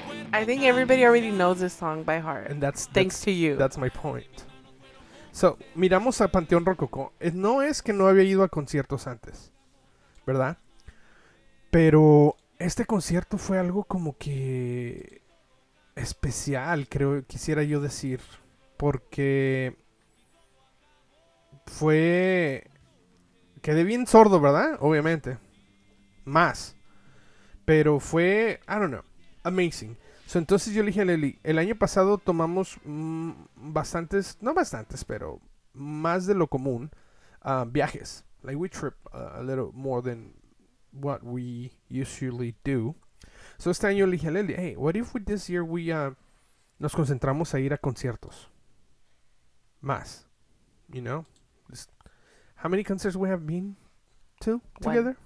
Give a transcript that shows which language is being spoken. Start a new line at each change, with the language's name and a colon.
English: I think everybody already knows this song by heart. And that's... Thanks that's, to you. That's my point. So,
Spanish: miramos a
English: Panteón Rococó.
Spanish: No es que no había ido a conciertos antes, ¿verdad? Pero este concierto fue algo como que... especial, creo, quisiera yo decir. Porque... fue... quedé bien sordo, ¿verdad? Obviamente. Más. Pero fue...
English: I don't know. Amazing.
Spanish: So, entonces yo le dije a Lely, el año pasado tomamos bastantes, no bastantes, pero más de lo común, viajes.
English: Like, we trip a little more than what we usually do.
Spanish: So, este año le dije a Lely,
English: hey, what if we this year we
Spanish: nos concentramos a ir a conciertos? Más.
English: You know? How many concerts we have been to together?